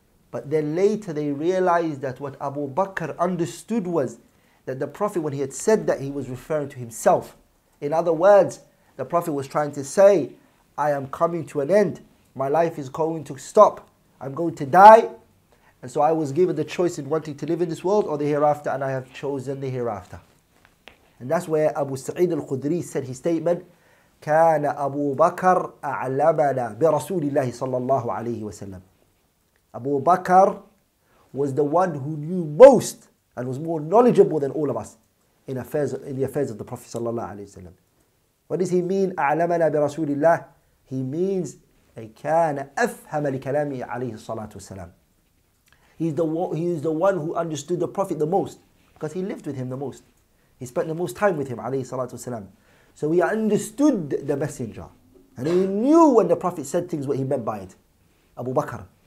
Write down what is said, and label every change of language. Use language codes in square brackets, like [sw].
[en] But then later they realized that what Abu Bakr understood was that the Prophet, when he had said that, he was referring to himself. In other words, the Prophet was trying to say, I am coming to an end. My life is going to stop. I'm going to die. And so I was given the choice in wanting to live in this world or the hereafter, and I have chosen the hereafter. And that's where Abu Sa'id al-Khudri said his statement, [ar] كان أبو بكر أعلمنا برسول الله صلى الله عليه وسلم. [en] Abu Bakr was the one who knew most and was more knowledgeable than all of us in the affairs of the Prophet sallallahu alaihi wasallam. What does he mean, [ar] أعلمنا برسول الله? [en] He means he [ar] كان أفهم لكلامه عليه الصلاة والسلام. [en] He is the one who understood the Prophet the most, because he lived with him the most. He spent the most time with him, [ar] عليه الصلاة والسلام. [en] So he understood the messenger. And he knew when the Prophet said things what he meant by it. Abu Bakr.